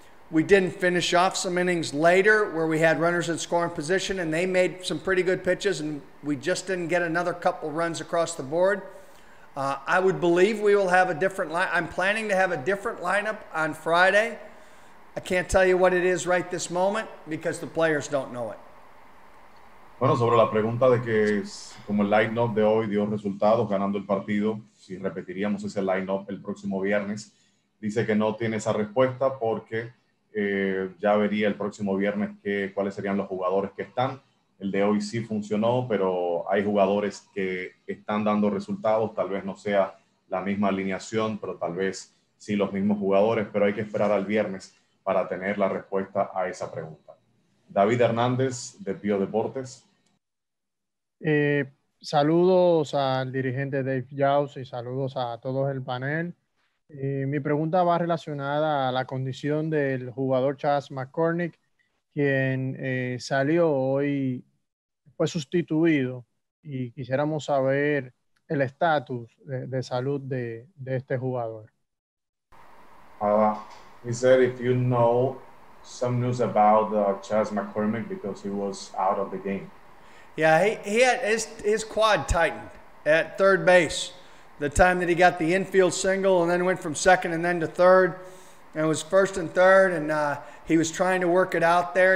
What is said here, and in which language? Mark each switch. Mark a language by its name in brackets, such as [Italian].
[English] We didn't finish off some innings later where we had runners in scoring position and they made some pretty good pitches and we just didn't get another couple runs across the board. I would believe we will have a different line. I'm planning to have a different lineup on Friday. I can't tell you what it is right this moment because the players don't know it. [Spanish] Bueno, sobre la pregunta de que como el lineup de hoy dio resultados ganando el partido, si repetiríamos ese lineup el próximo viernes, dice que no tiene esa respuesta porque ya vería el próximo viernes cuáles serían los jugadores que están. El de hoy sí funcionó, pero hay jugadores que están dando resultados. Tal vez no sea la misma alineación, pero tal vez sí los mismos jugadores. Pero hay que esperar al viernes para tener la respuesta a esa pregunta. David Hernández, de Pío Deportes. Saludos al dirigente Dave Jaus y saludos a todos el panel. Mi pregunta va relacionada a la condición del jugador Chas McCormick, quien salió hoy, fue sustituido, y quisiéramos saber el estatus de salud de este jugador. [English] He said if you know some news about Chas McCormick because he was out of the game. Yeah, he had his quad tightened at third base the time that he got the infield single and then went from second and then to third and was first and third, and he was trying to work it out there.